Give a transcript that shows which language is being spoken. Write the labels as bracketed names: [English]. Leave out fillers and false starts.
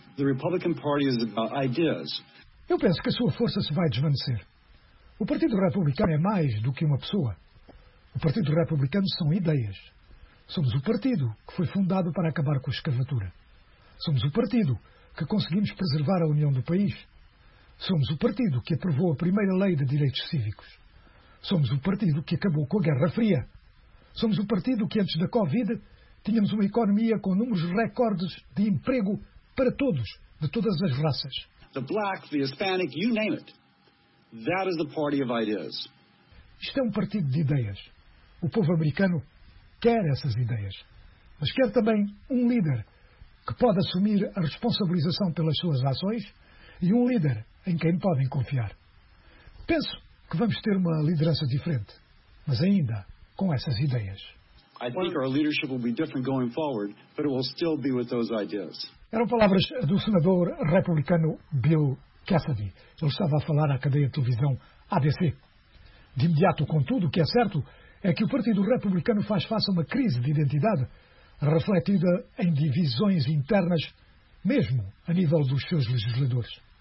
[English] The Republican Party is about ideas. [Portuguese] Eu penso que a sua força se vai desvanecer. O Partido Republicano é mais do que uma pessoa. O Partido Republicano são ideias. Somos o partido que foi fundado para acabar com a escravatura. Somos o partido que conseguimos preservar a união do país. Somos o partido que aprovou a primeira lei de direitos cívicos. Somos o partido que acabou com a Guerra Fria. Somos o partido que, antes da Covid, tínhamos uma economia com números recordes de emprego para todos, de todas as raças. [English] The black, the Hispanic, you name it. That is the party of ideas. [Portuguese] Isto é um partido de ideias. O povo americano quer essas ideias, mas quer também um líder que pode assumir a responsabilização pelas suas ações e um líder em quem podem confiar. Penso que vamos ter uma liderança diferente, mas ainda com essas ideias. [English] I think our leadership will be different going forward, but it will still be with those ideas. [Portuguese] Eram palavras do senador republicano Bill Cassidy. Ele estava a falar à cadeia de televisão ABC. De imediato, contudo, o que é certo é que o Partido Republicano faz face a uma crise de identidade, refletida em divisões internas, mesmo a nível dos seus legisladores.